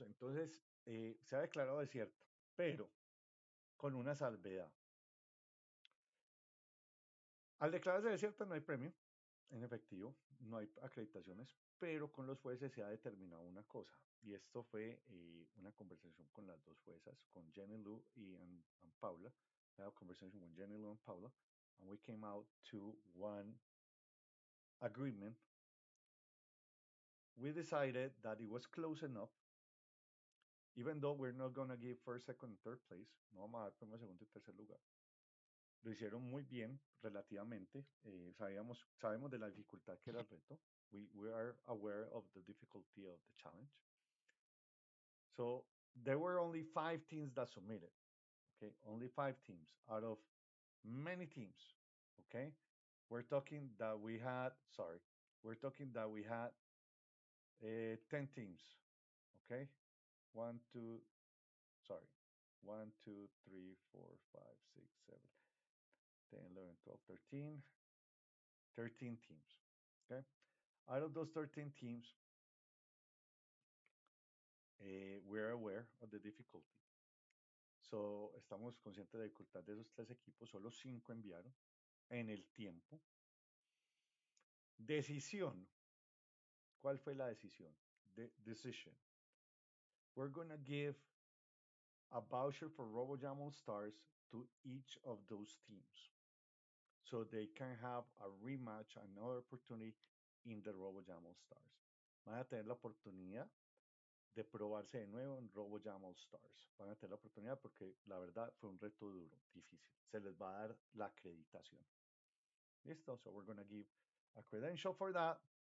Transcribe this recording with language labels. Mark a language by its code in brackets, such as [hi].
[es] Entonces, se ha declarado desierto, pero con una salvedad. Al declararse desierto no hay premio, en efectivo, no hay acreditaciones, pero con los jueces se ha determinado una cosa, y esto fue una conversación con las dos juezas, con Jenny Lou y and Paula. [en] I had a conversation with Jenny Lou and Paula, and we came out to one agreement. We decided that it was close enough, even though we're not going to give first, second, and third place, [es] no vamos a dar primero, segundo y tercer lugar. Lo hicieron muy bien, relativamente. Sabemos de la dificultad que era el reto. [en] We are aware of the difficulty of the challenge. So, there were only five teams that submitted. Ok. Okay, only 5 teams out of many teams. Okay, we're talking that we had, sorry, we're talking that we had 10 teams. Okay, 13 teams. Okay, out of those 13 teams, we're aware of the difficulty. [es] So, estamos conscientes de la dificultad de esos 3 equipos. Solo 5 enviaron en el tiempo. Decisión. ¿Cuál fue la decisión? Decision. [en] We're going to give a voucher for RoboJam All Stars to each of those teams, so they can have a rematch, another opportunity in the RoboJam All Stars. [es] Van a tener la oportunidad de probarse de nuevo en RoboJam All Stars. Van a tener la oportunidad porque la verdad fue un reto duro, difícil. Se les va a dar la acreditación. [en] Listo, so we're going to give a credential for that.